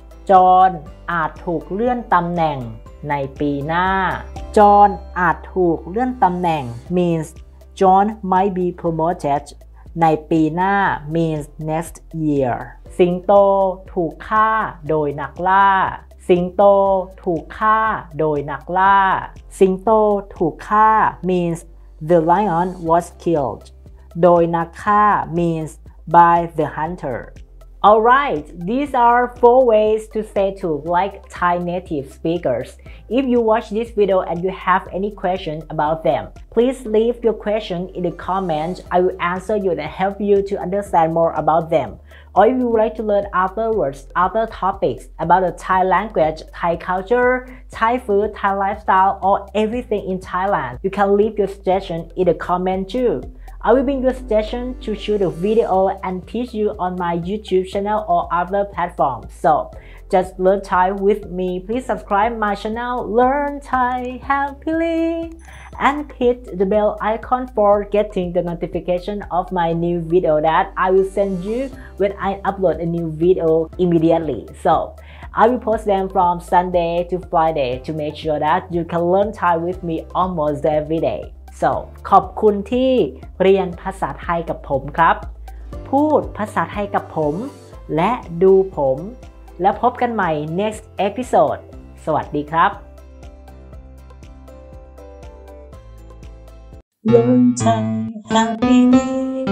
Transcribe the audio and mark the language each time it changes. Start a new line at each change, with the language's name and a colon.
Thai: จอนอาจถูกเลื่อนตำแหน่งในปีหน้าจอห์นอาจถูกเลื่อนตำแหน่ง
English: means John might be promoted
Thai: ในปีหน้า
English: means next year
Thai: สิงโตถูกฆ่าโดยนักล่าสิงโตถูกฆ่าโดยนักล่า สิงโตถูกฆ่า
English: means the lion was killed
Thai: โดยนักฆ่า
English: means by the hunter Alright, these are 4 ways to say to like Thai native speakers. If you watch this video and you have any questions about them, please leave your question in the comment. I will answer you and help you to understand more about them. Or if you would like to learn other words, other topics about the Thai language, Thai culture, Thai food, Thai lifestyle, or everything in Thailand, you can leave your suggestion in the comment too. I will bring your suggestion to shoot a video and teach you on my YouTube channel or other platforms. So, just learn Thai with me. Please subscribe my channel, Learn Thai Happily, and hit the bell icon for getting the notification of my new video that I will send you when I upload a new video immediately. So, I will post them from Sunday to Friday to make sure that you can learn Thai with me almost every day.
Thai: So, ขอบคุณที่เรียนภาษาไทยกับผมครับพูดภาษาไทยกับผมและดูผมแล้วพบกันใหม่
English: next episode
Thai: สวัสดีครับ Learn Thai Happy New